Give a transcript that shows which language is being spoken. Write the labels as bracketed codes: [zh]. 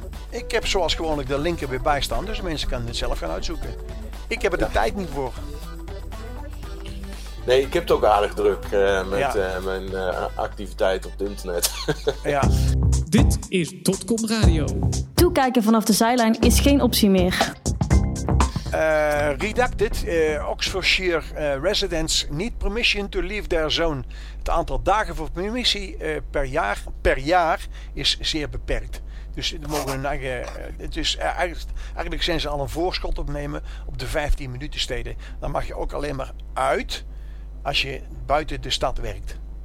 [nl] Ik heb zoals gewoonlijk de linker weer bij staan, dus mensen kunnen het zelf gaan uitzoeken. Ik heb er de tijd niet voor. Nee, ik heb het ook aardig druk met mijn activiteit op het internet. Ja. Dit is Dotcom Radio. Toekijken vanaf de zijlijn is geen optie meer. [en] Redacted, Oxfordshire residents need permission to leave their zone. [nl] Het aantal dagen voor permissie per jaar is zeer beperkt. Dus mogen hun eigen, dus eigenlijk zijn ze al een voorschot opnemen op de 15 minuten steden. Dan mag je ook alleen maar uit als je buiten de stad werkt.